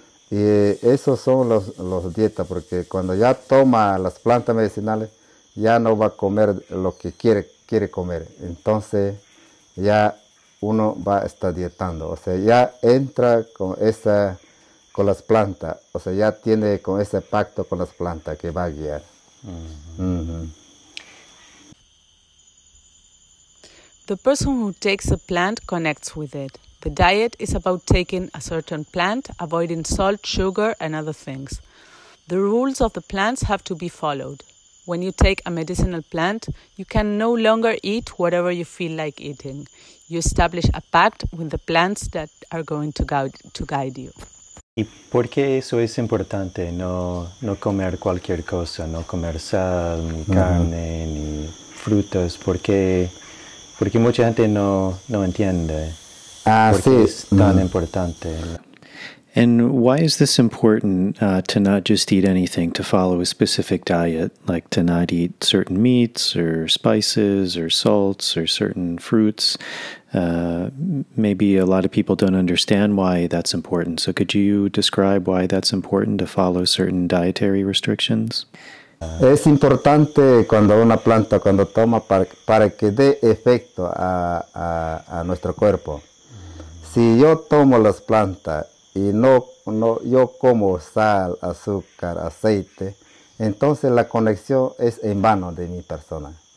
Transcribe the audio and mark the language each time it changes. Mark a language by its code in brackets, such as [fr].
[es] Y esos son los dietas, porque cuando ya toma las plantas medicinales, ya no va a comer lo que quiere comer. Entonces, ya uno va a estar dietando. O sea, ya entra con las plantas. O sea, ya tiene con ese pacto con las plantas que va a guiar. [en] The person who takes a plant connects with it. The diet is about taking a certain plant, avoiding salt, sugar, and other things. The rules of the plants have to be followed. When you take a medicinal plant, you can no longer eat whatever you feel like eating. You establish a pact with the plants that are going to guide you. [es] ¿Y por qué eso es importante? No comer cualquier cosa, no comer sal, ni carne, ni frutas. Porque mucha gente no entiende. Importante. [en] And why is this important to not just eat anything, to follow a specific diet, like to not eat certain meats or spices or salts or certain fruits? Maybe a lot of people don't understand why that's important. So could you describe why that's important to follow certain dietary restrictions? [es] Es importante cuando una planta, cuando toma, para que dé efecto a nuestro cuerpo. Si yo tomo las plantas y no yo como sal, azúcar, aceite, entonces la conexión es en vano de mi persona.